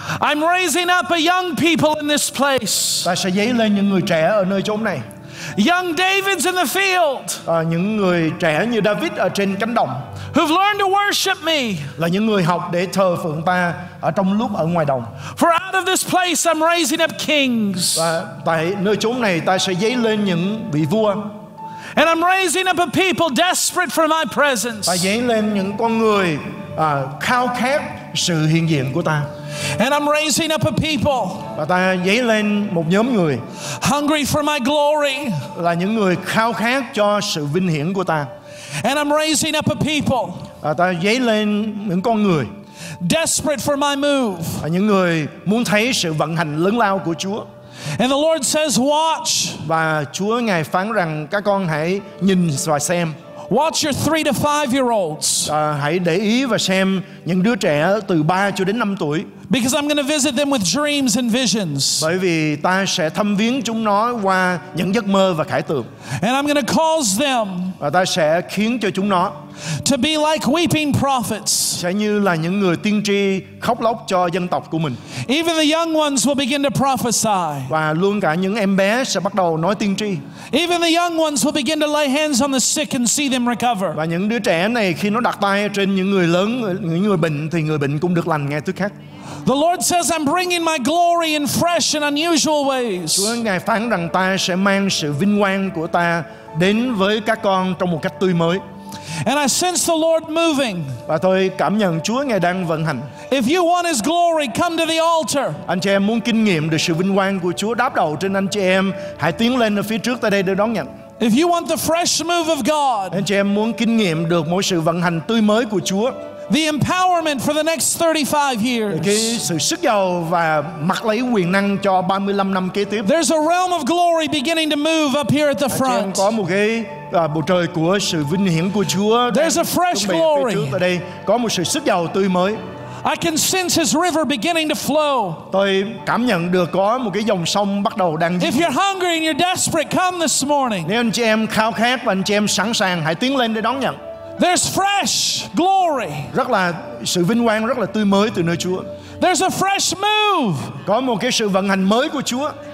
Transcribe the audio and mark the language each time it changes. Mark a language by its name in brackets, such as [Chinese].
[English] I'm raising up a young people in this place. [Vietnamese] Ta sẽ dấy lên những người trẻ ở nơi chốn này. [English] Young Davids in the field. [Vietnamese] Những người trẻ như David ở trên cánh đồng. [English] Who've learned to worship me. [Vietnamese] Là những người học để thờ phượng ta ở trong lúc ở ngoài đồng. [English] For out of this place I'm raising up kings. [Vietnamese] Và tại nơi chốn này ta sẽ dấy lên những vị vua. [English] And I'm raising up a people desperate for my presence. [Vietnamese] Và dấy lên những con người khao khát sự hiện diện của ta. [English] And I'm raising up a people. [Vietnamese] Và ta dấy lên một nhóm người [English] hungry for my glory. [Vietnamese] Là những người khao khát cho sự vinh hiển của ta. [English] And I'm raising up a people. [Vietnamese] Và ta dấy lên những con người [English] desperate for my move. [Vietnamese] Và những người muốn thấy sự vận hành lớn lao của Chúa. [English] And the Lord says, watch. [Vietnamese] Và Chúa ngài phán rằng các con hãy nhìn và xem. [English] Watch your 3 to 5 year olds. [Vietnamese] Hãy để ý và xem những đứa trẻ từ 3 cho đến 5 tuổi. [English] Because I'm going to visit them with dreams and visions. [Vietnamese] Bởi vì ta sẽ thăm viếng chúng nó qua những giấc mơ và khải tượng. [English] And I'm going to cause them. [Vietnamese] Và ta sẽ khiến cho chúng nó [English] to be like weeping prophets. [Vietnamese] Sẽ như là những người tiên tri khóc lóc cho dân tộc của mình. [English] Even the young ones will begin to prophesy. [Vietnamese] Và luôn cả những em bé sẽ bắt đầu nói tiên tri. [English] Even the young ones will begin to lay hands on the sick and see them recover. [Vietnamese] Và những đứa trẻ này khi nó đặt tay trên những người lớn, những người bệnh thì người bệnh cũng được lành ngay tức khắc. [English] The Lord says, "I'm bringing my glory in fresh and unusual ways." [Vietnamese] Chúa ngài phán rằng ta sẽ mang sự vinh quang của ta đến với các con trong một cách tươi mới. [English] And I sense the Lord moving. [Vietnamese] Và tôi cảm nhận Chúa ngài đang vận hành. [English] If you want His glory, come to the altar. [Vietnamese] Anh chị em muốn kinh nghiệm được sự vinh quang của Chúa đáp đầu trên anh chị em, hãy tiến lên ở phía trước tại đây để đón nhận. [English] If you want the fresh move of God, [Vietnamese] anh chị em muốn kinh nghiệm được mỗi sự vận hành tươi mới của Chúa. [English] The empowerment for the next 35 years. [Vietnamese] Cái sự sức giàu và mặc lấy quyền năng cho 35 năm kế tiếp. [English] There's a realm of glory beginning to move up here at the front. [Vietnamese] Có một cái bầu trời của sự vinh hiển của Chúa. [English] There's a fresh glory. [Vietnamese] Đây có một sự sức giàu tươi mới. [English] I can sense His river beginning to flow. [Vietnamese] Tôi cảm nhận được có một cái dòng sông bắt đầu đang. [English] If you're hungry and you're desperate, come this morning. [Vietnamese] Nếu anh chị em khao khát và anh chị em sẵn sàng, hãy tiến lên để đón nhận. [English] There's fresh glory. [Vietnamese] Rất là sự vinh quang rất là tươi mới từ nơi Chúa. [English] There's a fresh move. [Vietnamese] Có một cái sự vận hành mới của Chúa.